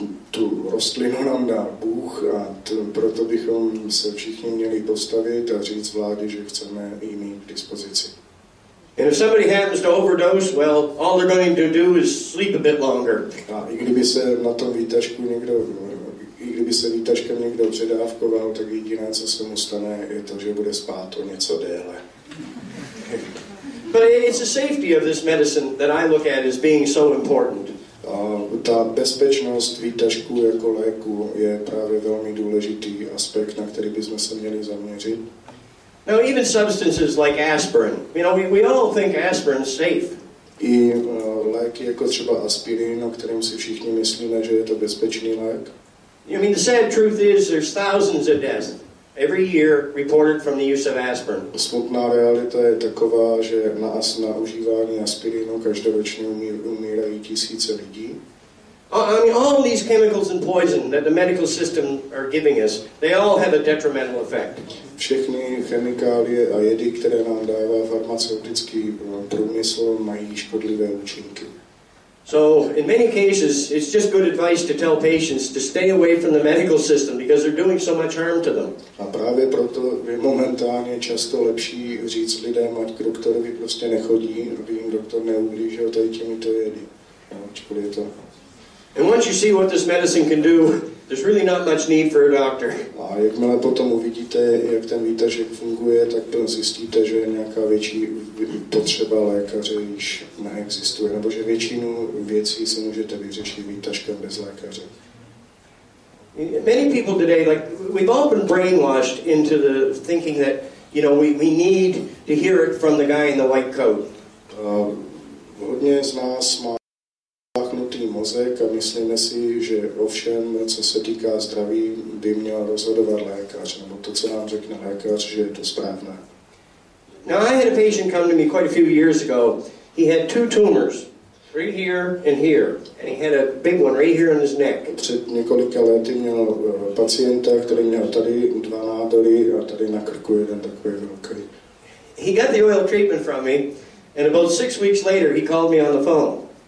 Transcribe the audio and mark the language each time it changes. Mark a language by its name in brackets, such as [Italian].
[Czech] Tu rostlinu nám dal Bůh a proto bychom se všichni měli postavit a říct vládě, že chceme jí mít k dispozici. [English] And if somebody happens to overdose, well, all they're going to do is sleep a bit longer. [Czech] A i kdyby se na tom výtažku někdo, i kdyby se výtažkem někdo předávkoval, tak jediné, co se mu stane, je to, že bude spát o něco déle. [English] But it's the safety of this medicine that I look at as being so important. [Czech] Ta bezpečnost výtažku jako léku je právě velmi důležitý aspekt, na který bychom se měli zaměřit. [English] Now even substances like aspirin, you know, we all think aspirin is safe. [Czech] I léky jako třeba aspirin, o kterém si všichni myslíme, že je to bezpečný lék. [English] I mean, the sad truth is there's thousands of deaths every year reported from the use of aspirin. [Czech] Smutná realita je taková, že na užívání aspirinu každoročně umírají tisíce lidí. [English] I mean, all these chemicals and poison that the medical system are giving us, they all have a detrimental effect. [Czech] Všechny chemikálie a jedy, které nám dává farmaceutický průmysl, mají škodlivé účinky. [English] So, in many cases, it's just good advice to tell patients to stay away from the medical system because they're doing so much harm to them. [Czech] A právě proto je momentálně často lepší říct lidem, ať k doktorovi prostě nechodí, aby jim doktor neublížil tady těmito jedy. Ačkoliv je to. [English] And once you see what this medicine can do, there's really not much need for a doctor. [Czech] A jakmile potom uvidíte, jak ten výtažek funguje, tak potom zjistíte, že nějaká větší potřeba lékaře již neexistuje, nebo že většinu věcí se můžete vyřešit výtažkem bez lékaře. [English] Many people today, like we've all been brainwashed into the thinking that, you know, we need to hear it from the guy in the white coat. [Czech] Hodně z nás má zapnutý mozek a myslíme si, že ovšem, co se týká zdraví, by měl rozhodovat lékař, nebo to, co nám řekne lékař, že je to správné. [English] Now I had a patient come to me quite a few years ago. He had two tumors, right here and here, and he had a big one right here in his neck. [Czech] Před několika lety měl pacienta, který měl tady dva nádory a tady na krku jeden takový velký. [English] He got the oil treatment from me, and about 6 weeks later he called me on the phone.